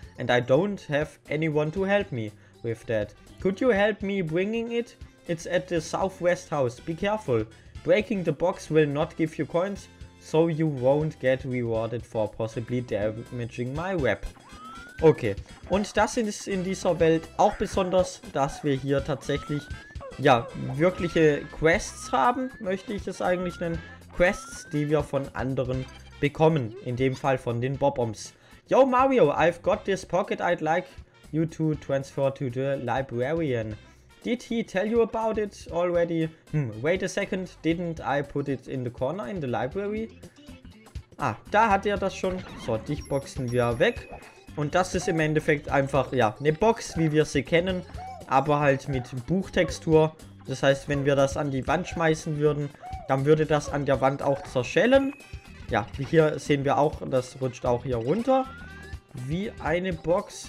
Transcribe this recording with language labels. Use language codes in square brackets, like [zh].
[en] And I don't have anyone to help me with that. Could you help me bringing it? It's at the southwest house. Be careful. Breaking the box will not give you coins, so you won't get rewarded for possibly damaging my web. Okay. [de] Und das ist in dieser Welt auch besonders, dass wir hier tatsächlich, ja, wirkliche Quests haben, möchte ich es eigentlich nennen. Quests, die wir von anderen bekommen. In dem Fall von den Bob-Oms. [en] Yo Mario, I've got this pocket I'd like you to transfer to the librarian. Did he tell you about it already? Wait a second, didn't I put it in the corner in the library? [de] Ah, da hat er das schon. So, dich boxen wir weg. Und das ist im Endeffekt einfach, ja, eine Box, wie wir sie kennen. Aber halt mit Buchtextur. Das heißt, wenn wir das an die Wand schmeißen würden, dann würde das an der Wand auch zerschellen. Ja, hier sehen wir auch, das rutscht auch hier runter. Wie eine Box.